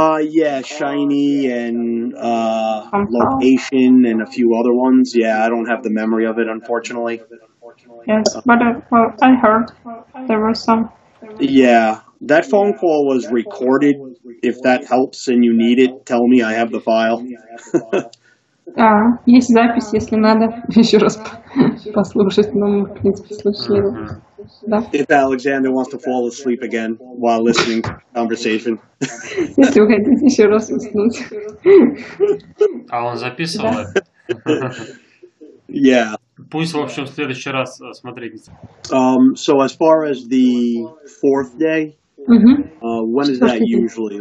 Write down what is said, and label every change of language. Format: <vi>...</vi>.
<en>Yeah, shiny and location and a few other ones. Yeah, I don't have the memory of it, unfortunately. Yes, but I heard there were some. Yeah, That phone call was recorded. If that helps and you need it, tell me. I have the file.</en> <ru>А, есть запись, если надо, еще раз послушать, но мы, в принципе, слышали его. Да?</ru> <en>If Alexander wants to fall asleep again while listening to the conversation.</en> <ru>Если вы хотите еще раз уснуть. А он записывал это?</ru> <en>Yeah.</en> <ru>Пусть, в общем, в следующий раз смотреть.</ru> <en>So as far as the fourth day, when is that usually?</en>